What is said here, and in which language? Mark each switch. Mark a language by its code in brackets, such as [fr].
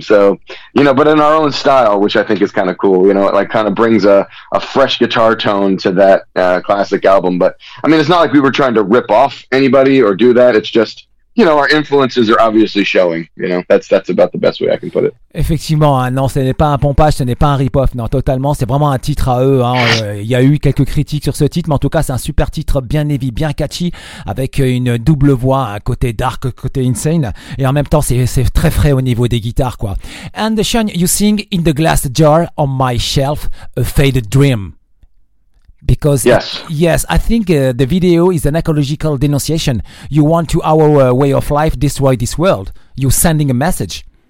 [en] So, you know, but in our own style, which I think is kind of cool, you know, it like kind of brings a fresh guitar tone to that classic album. But I mean, it's not like we were trying to rip off anybody or do that. It's just, you know, our influences are obviously showing, you know, that's about the best way I can put it. [fr] Effectivement, hein, non, ce n'est pas un pompage, ce n'est pas un rip-off, non, totalement, c'est vraiment un titre à eux, hein. Il y a eu quelques critiques sur ce titre, mais en tout cas, c'est un super titre bien heavy, bien catchy, avec une double voix, un côté dark, côté insane, et en même temps, c'est très frais au niveau des guitares, quoi. [en] And the song you sing, In the Glass Jar on My Shelf, A Faded Dream. Because, yes, I think the video is an ecological denunciation. You want to our way of life, destroy this world. You're sending a message.